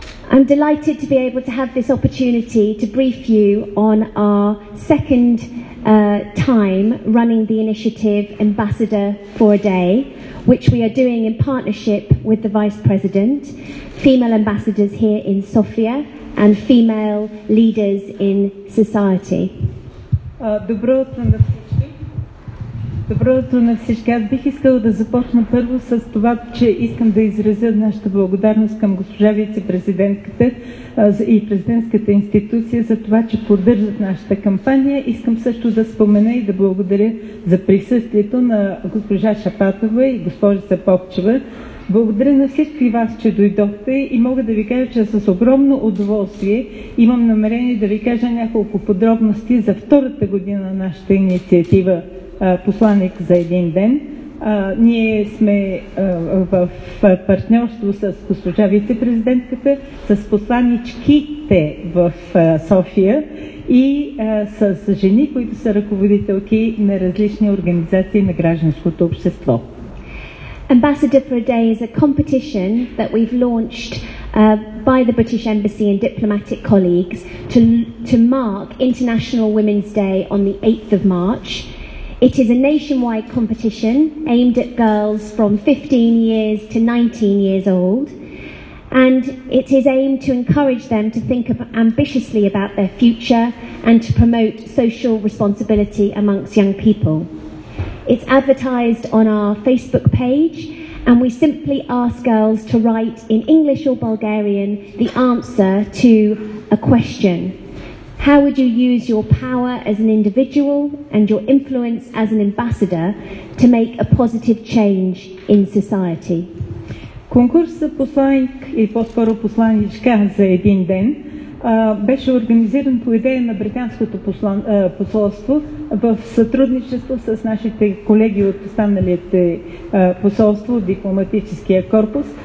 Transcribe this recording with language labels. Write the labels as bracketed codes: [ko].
[en] I'm delighted to be able to have this opportunity to brief you on our second time running the initiative Ambassador for a Day, which we are doing in partnership with the Vice President, female ambassadors here in Sofia, and female leaders in society. [bg] Добро утро на всички. Добро утро на всички. Аз бих искала да започна първо с това, че искам да изразя нашата благодарност към госпожа вице-президентката и президентската институция за това, че поддържат нашата кампания. Искам също да спомена и да благодаря за присъствието на госпожа Шапатова и госпожица Попчева. Благодаря на всички вас, че дойдохте и мога да ви кажа, че с огромно удоволствие имам намерение да ви кажа няколко подробности за втората година на нашата инициатива Посланик за един ден. Ние сме в партньорство с госпожа вице-президентката, с посланичките в София и с жени, които са ръководителки на различни организации на гражданското общество. [en] Ambassador for a Day is a competition that we've launched by the British Embassy and diplomatic colleagues to mark International Women's Day on the 8th of March. It is a nationwide competition aimed at girls from 15 years to 19 years old, and it is aimed to encourage them to think ambitiously about their future and to promote social responsibility amongst young people. It's advertised on our Facebook page, and we simply ask girls to write in English or Bulgarian the answer to a question. How would you use your power as an individual and your influence as an ambassador to make a positive change in society? [bg] Конкурса посланик и по-скоро посланичка за един ден беше организиран по идея на британското посолство в сътрудничество с нашите колеги от останалите посолства, дипломатическия корпус.